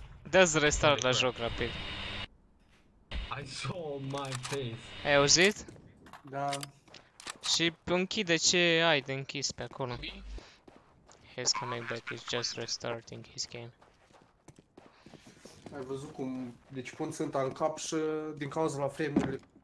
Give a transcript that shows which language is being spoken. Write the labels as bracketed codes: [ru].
[ro] Dă-ți restart la joc rapid. [en] I saw my face. [ro] Ai auzit? Da. Și închide ce ai de închis pe acolo. [en] He's coming back, he's just restarting his game. [ro] Ai văzut cum... Deci pun ținta în cap și din cauza la frame-urile...